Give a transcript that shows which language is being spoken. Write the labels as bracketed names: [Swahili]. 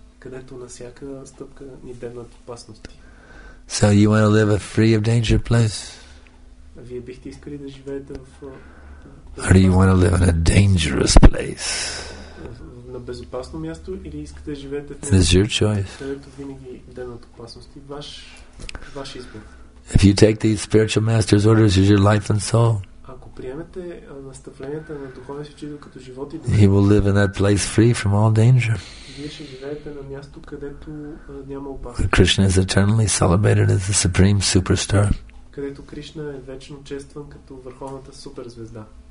[Bulgarian] Където на всяка стъпка ни бегнат опасности. [English] So you want to live a free of danger place? [Bulgarian] Вие бихте искали да живеете в. [English] Or do you want to live in a dangerous place? [Bulgarian] На безопасно място или искате да живеете в. [English] It's your choice. [Bulgarian] Където винаги бегнат опасности. Ваш избор. [English] If you take the spiritual master's orders, is your life and soul. [Bulgarian] Ако приемете наставленията на духовния си учител като живот и дух, [English] he will live in that place free from all danger. [Bulgarian] Вие ще живеете на място, където няма опасност. [English] Krishna is eternally celebrated as the supreme superstar. [Bulgarian] Където Кришна е вечно честван като върховната суперзвезда.